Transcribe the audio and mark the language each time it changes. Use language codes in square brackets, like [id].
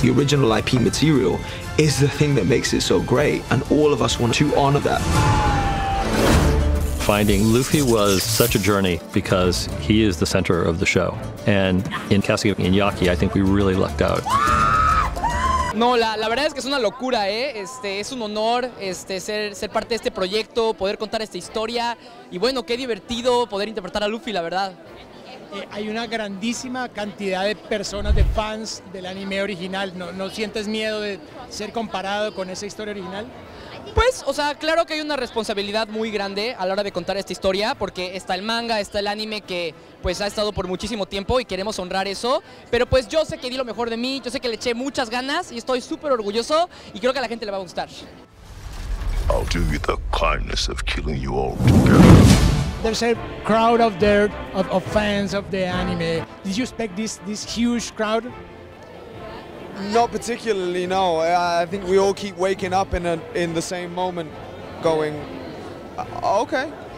[en] The original IP material is the thing that makes it so great, and all of us want to honor that. Finding Luffy was such a journey because he is the center of the show. And in casting Iñaki, I think we really lucked out. [es] No, la verdad es que es una locura, ¿eh? Es un honor ser parte de este proyecto, poder contar esta historia. Y bueno, qué divertido poder interpretar a Luffy, la verdad. Hay una grandísima cantidad de personas, de fans del anime original. ¿No sientes miedo de ser comparado con esa historia original? Pues, o sea, claro que hay una responsabilidad muy grande a la hora de contar esta historia, porque está el manga, está el anime que pues ha estado por muchísimo tiempo y queremos honrar eso. Pero pues yo sé que di lo mejor de mí, yo sé que le eché muchas ganas y estoy súper orgulloso y creo que a la gente le va a gustar. [en] I'll do you the kindness of killing you all together. There's a crowd out there of fans of the anime. Did you expect this huge crowd? Not particularly, no. I think we all keep waking up in the same moment, going, okay.